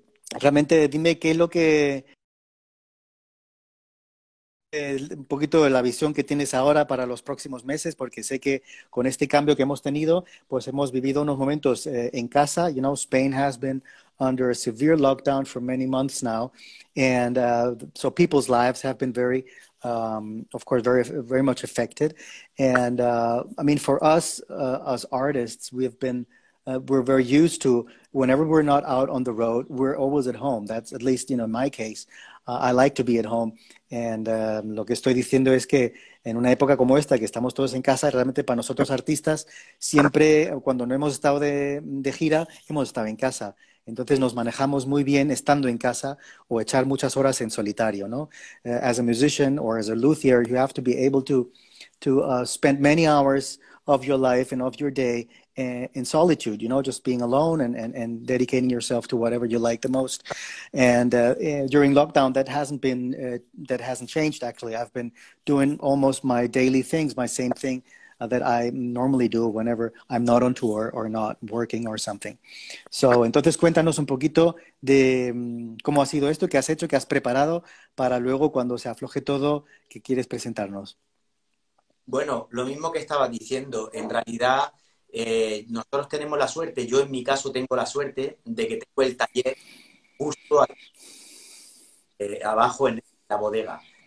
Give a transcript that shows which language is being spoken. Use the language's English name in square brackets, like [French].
[Spanish] Realmente, dime qué es lo que un poquito de la visión que tienes ahora para los próximos meses, porque sé que con este cambio que hemos tenido, pues hemos vivido unos momentos en casa. [English] You know, Spain has been under a severe lockdown for many months now, and so people's lives have been very, of course, very, very much affected. And I mean, for us as artists, we've been we're very used to, whenever we're not out on the road, we're always at home. That's at least, you know, in my case, I like to be at home. [Spanish] And lo que estoy diciendo es que en una época como esta, que estamos todos en casa, realmente para nosotros artistas, siempre cuando no hemos estado de gira, hemos estado en casa. Entonces nos manejamos muy bien estando en casa o echar muchas horas en solitario, ¿no? [English] As a musician or as a luthier, you have to be able to spend many hours of your life and of your day in solitude, you know, just being alone and dedicating yourself to whatever you like the most. And during lockdown, that hasn't changed, actually. I've been doing almost my daily things, my same thing that I normally do whenever I'm not on tour or not working or something. [Spanish] So, entonces cuéntanos un poquito de cómo ha sido esto, qué has hecho, qué has preparado para luego cuando se afloje todo, qué quieres presentarnos. Bueno, lo mismo que estaba diciendo, en realidad nosotros tenemos la suerte, yo en mi caso tengo la suerte de que tengo el taller justo aquí, abajo en la bodega.